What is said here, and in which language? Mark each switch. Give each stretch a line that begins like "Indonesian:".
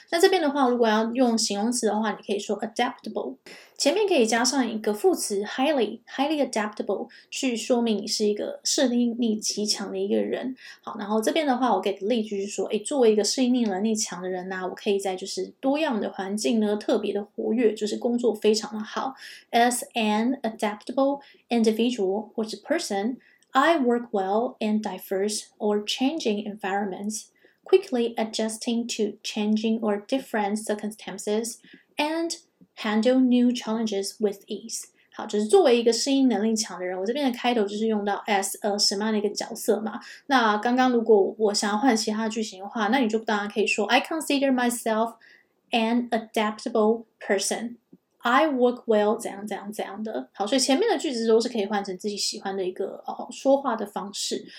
Chinese: 那这边的话，如果要用形容词的话，你可以说 adaptable， 前面可以加上一个副词 highly adaptable， 去说明你是一个适应力极强的一个人。好，然后这边的话，我给的例句是说，诶，作为一个适应力能力强的人呢，我可以在就是多样的环境呢特别的活跃，就是工作非常的好。
English: As an adaptable individual
Chinese: 或是
English: person， I work well in diverse or changing environmentsquickly adjusting to changing or different circumstances and handle new challenges with ease.
Chinese: 好，就是作为一个适应能力强的人，我这边的开头就是用到 as 什么样的一个角色嘛。那刚刚如果我想要换其他句型的话，那你就当然可以说
English: I consider myself an adaptable person. I work well,
Chinese: 怎样怎样怎样的。好，所以前面的句子都是可以换成自己喜欢的一个说话的方式。